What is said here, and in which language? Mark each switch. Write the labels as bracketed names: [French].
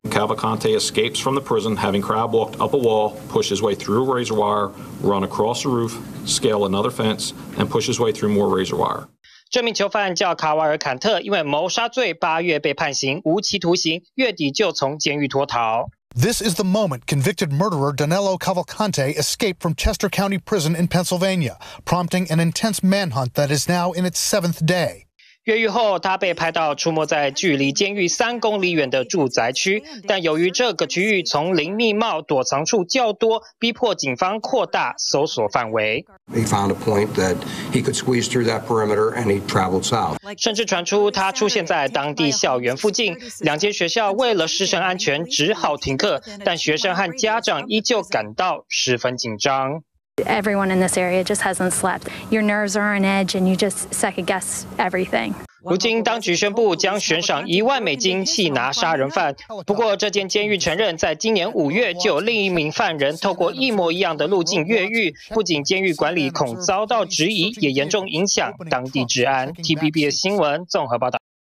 [English] Cavalcante escapes from the prison, having crab walked up a wall, push his way through razor wire, run across the roof, scale another fence, and push his way through more razor wire. [Chinese] 这名囚犯叫卡瓦尔坎特，因为谋杀罪8月被判刑无期徒刑，月底就从监狱脱逃。 [English] This is the moment convicted murderer Danilo Cavalcante escaped from Chester County Prison in Pennsylvania, prompting an intense manhunt that is now in its 7th day. [Chinese] 越狱后，他被拍到出没在距离监狱3公里远的住宅区，但由于这个区域丛林密茂，躲藏处较多，逼迫警方扩大搜索范围。 [English] He found a point that he could squeeze through that perimeter, and he traveled south. [Chinese] 甚至传出他出现在当地校园附近，两间学校为了师生安全只好停课，但学生和家长依旧感到十分紧张。 [English] Everyone in this area just hasn't slept. Your nerves are on edge, and you just second guess everything. [Chinese] 如今，当局宣布将悬赏$10,000弃拿杀人犯。不过，这间监狱承认，在今年5月就有另一名犯人透过一模一样的路径越狱。不仅监狱管理恐遭到质疑，也严重影响当地治安。 TVBS 新闻综合报道。